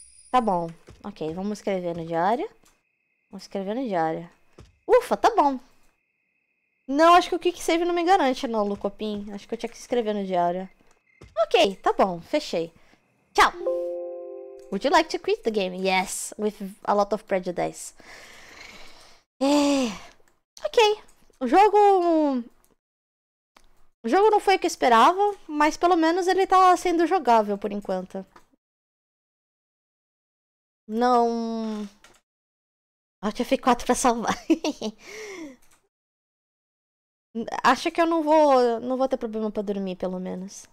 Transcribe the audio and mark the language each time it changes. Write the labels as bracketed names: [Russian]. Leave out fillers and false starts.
[Portuguese] Tá bom. Ok, vamos escrever no diário. Vamos escrever no diário. Ufa, tá bom. Não, acho que o quick save não me garante no Lucopin. Acho que eu tinha que escrever no diário. Ok, tá bom. Fechei. Tchau. [English] Would you like to quit the game? Yes, with a lot of prejudice. Ok. [Portuguese] O jogo... O jogo não foi o que eu esperava, mas pelo menos ele tá sendo jogável por enquanto. Não. Alt F4 pra salvar. Acho que eu não vou ter problema pra dormir, pelo menos.